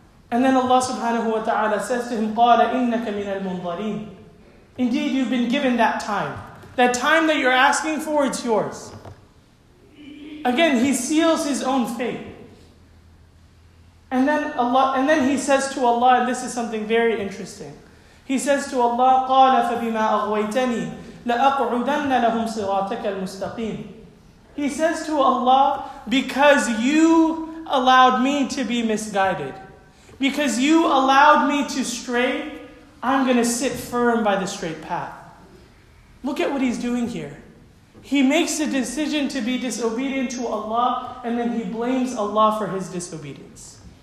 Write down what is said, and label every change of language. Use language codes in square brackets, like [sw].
[en] And then Allah subhanahu wa ta'ala says to him, [ar] قَالَ إِنَّكَ مِنَ الْمُنْظَرِينَ. [en] Indeed, you've been given that time. That time that you're asking for, it's yours. Again, he seals his own fate. And then he says to Allah, and this is something very interesting. He says to Allah, [ar] قَالَ فَبِمَا أَغْوَيْتَنِي لَأَقْعُدَنَّ لَهُمْ صِرَاطَكَ الْمُسْتَقِيمِ. [en] He says to Allah, because you allowed me to be misguided, because you allowed me to stray, I'm going to sit firm by the straight path. Look at what he's doing here. He makes a decision to be disobedient to Allah, and then he blames Allah for his disobedience.